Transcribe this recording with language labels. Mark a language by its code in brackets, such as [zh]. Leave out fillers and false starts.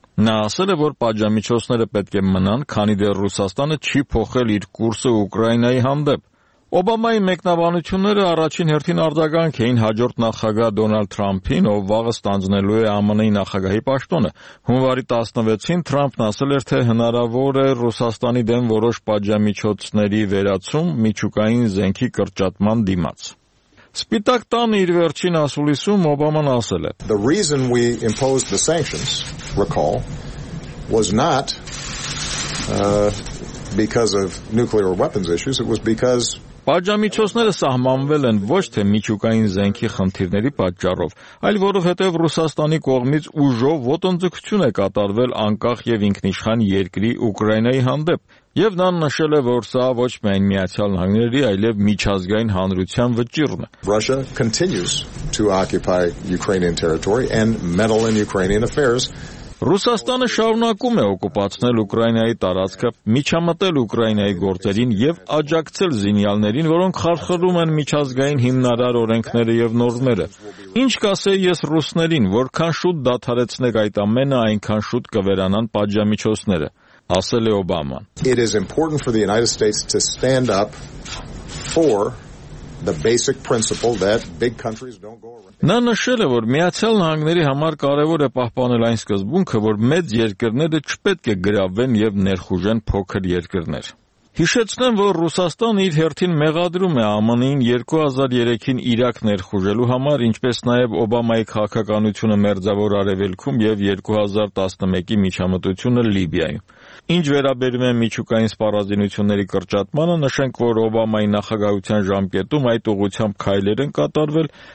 [hy] Նա ասել է, որ պատժամիջոցները պետք է մնան, քանի դեռ Ռուսաստանը չի փոխել իր կուրսը Ուկրաինայի հանդեպ։ Օբամայի մեկնաբանությունները առաջին հերթին արձագանք էին հաջորդ նախագահ Դոնալդ Թրամփին, ով վաղը ստանձնելու է ԱՄՆ-ի նախագահի պաշտոնը։ Հունվարի 16-ին Թրամփն ասել էր, թե հնարավոր է Ռուսաստանի դեմ որոշ պատժամիջոցների վերացում միջուկային զենքի կրճատման դիմաց։ Սպիտակ տան իր վերջին ասուլիսում Օբաման ասել է. [en] The reason we imposed the sanctions, recall, was not because of nuclear weapons issues, it was because [hy] պատժամիջոցները սահմանվել են ոչ թե միջուկային զենքի խնդիրների պատճառով, այլ որովհետև Ռուսաստանի կողմից ուժով ոտնձգություն է կատարվել անկախ և ինքնիշխան երկրի Ուկրաինայի հանդեպ, և նա նշել է, որ սա ոչ միայն Միացյալ Նահանգների, այլև միջազգային հանրության վճիռն է։ [en] Russia continues to occupy Ukrainian territory and meddle in Ukrainian affairs. [hy] Ռուսաստանը շարունակում է օկուպացնել Ուկրաինայի տարածքը, միջամտել Ուկրաինայի գործերին և աջակցել զինյալներին, որոնք խարխրում են միջազգային հիմնարար օրենքները և նորմերը։ Ինչ կասեի ես ռուսներին, որքան շուտ դադարեցնեք այդ ամենը, այնքան շուտ կվերանան պատժամիջոցները, ասել է Օբաման։ [en] It is important for the United States to stand up for the basic principle that big countries don't go [hy] Նա նշել է, որ Միացյալ Նահանգների համար կարևոր է պահպանել այն սկզբունքը, որ մեծ երկրները չպետք է գրավեն և ներխուժեն փոքր երկրներ։ Հիշեցնեմ, որ Ռուսաստան իր հերթին մեղադրում է ԱՄՆ-ին 2003-ին Իրաք ներխուժելու համար, ինչպես նաև Օբամայի քաղաքականությունը մերձավոր արևելքում և 2011-ի միջամտությունը Լիբիայում։ Ինչ վերաբերում է միջուկային սպառազինությունների կրճատմանը, նշենք, որ Օբամայի նախագահության ժամկետում այդ ուղղությամբ քայլեր են կատարվել։